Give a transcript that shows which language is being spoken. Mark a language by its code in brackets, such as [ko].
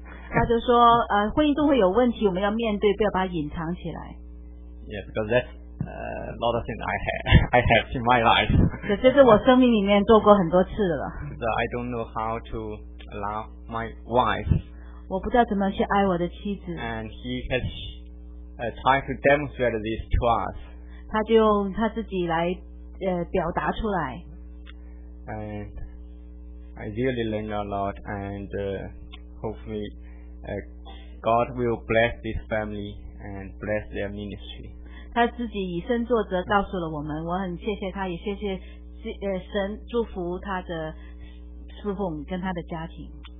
[zh] 他就说, 婚姻都会有问题, 我们要面对, 不要把它隐藏起来. [en] Yeah, because that's a lot of things I have in my life. [zh] 可是这是我生命里面做过很多次了. [en] So I don't know how to love my wife. [zh] 我不知道怎么去爱我的妻子. [en] And he has tried to demonstrate this to us. [zh] 他就用他自己来 表达出来. [en] And I really learned a lot, and hopefully God will bless this family and bless their ministry. [zh] 他自己以身作则告诉了我们，我很谢谢他，也谢谢神祝福他的侍奉跟他的家庭。